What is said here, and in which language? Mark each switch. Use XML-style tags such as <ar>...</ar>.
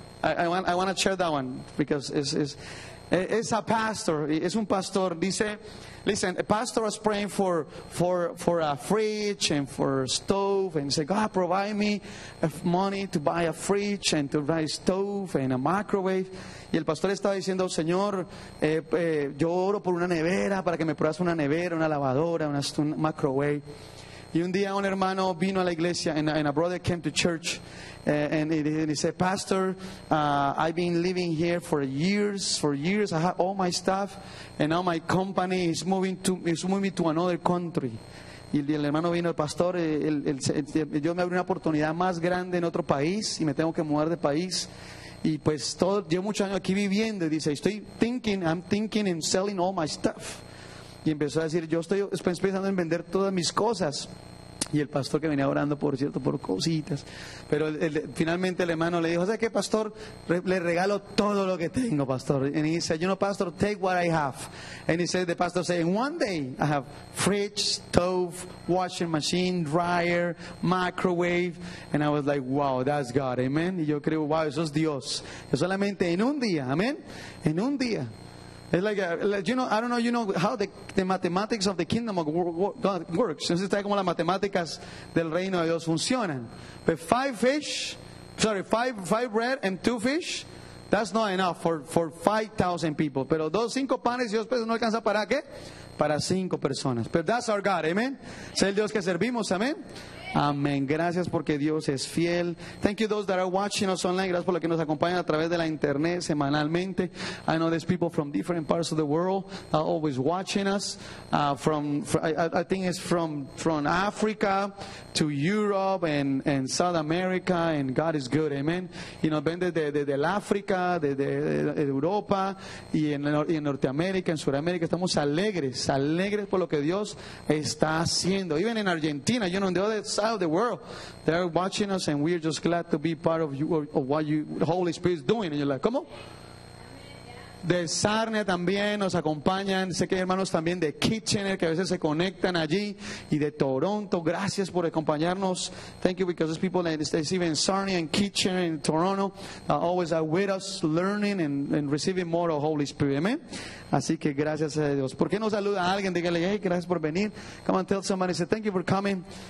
<en>I want to share that one because it's a pastor,</en> <es>es un pastor,</es> <en>dice, listen, a pastor was praying for a fridge and for a stove, and he said, God, provide me money to buy a fridge and to buy a stove and a microwave.</en> <es>Y el pastor estaba diciendo, Señor, yo oro por una nevera, para que me pruebas una nevera, una lavadora, una microwave. Y un día un hermano vino a la iglesia,</es> <en>and a brother came to church, and he said, Pastor, I've been living here for years, I have all my stuff, and now my company is moving to another country.</en> <es>y el hermano vino, el pastor, el yo me abrió una oportunidad más grande en otro país y me tengo que mudar de país. Y pues todo, llevo muchos años aquí viviendo, y dice,</es> <en>I'm thinking in selling all my stuff.</en> <es>Y empezó a decir, yo estoy pensando en vender todas mis cosas. Y el pastor, que venía orando, por cierto, por cositas, pero finalmente el hermano le dijo, ¿sabes qué, pastor? Le regalo todo lo que tengo, pastor.</es> <en>And he said, you know, pastor, take what I have. And he said, the pastor said, in one day I have fridge, stove, washing machine, dryer, microwave. And I was like, wow, that's God, amen.</en> <es>Y yo creo, wow, eso es Dios, que solamente en un día, amén, en un día.</es> <en>It's like, you know, I don't know, you know how the mathematics of the kingdom of God works.</en> <es>No sé si sabe cómo las matemáticas del reino de Dios funcionan.</es> <en>But five bread and two fish, that's not enough for 5,000 people.</en> <es>Pero cinco panes y dos peces no alcanza para qué? Para cinco personas.</es> <en>But that's our God, amen.</en> <es>Es el Dios que servimos, amen. Amén. Gracias porque Dios es fiel.</es> <en>Thank you those that are watching us online.</en> <es>Gracias por los que nos acompañan a través de la internet semanalmente.</es> <en>I know there's people from different parts of the world that are always watching us. I think it's from Africa to Europe and South America. And God is good. Amen.</en> <es>Y nos ven desde el África, desde Europa y en Norteamérica, en Sudamérica. Estamos alegres por lo que Dios está haciendo.</es> <en>Even in Argentina, you know, the other out of the world, they're watching us, and we're just glad to be part of you, of what you, the Holy Spirit is doing. And you're like, come on.</en> <es>De Sarnia también nos acompañan. Sé que hay hermanos también de Kitchener que a veces se conectan allí, y de Toronto. Gracias por acompañarnos.</es> <en>Thank you, because there's people in the States, even Sarnia and Kitchener in Toronto, always are with us, learning and receiving more of the Holy Spirit.</en> <es>Amen. Así que gracias a Dios. ¿Por qué no saluda a alguien? Dígale, hey, gracias por venir.</es> <en>Come on, tell somebody, say, thank you for coming.</en>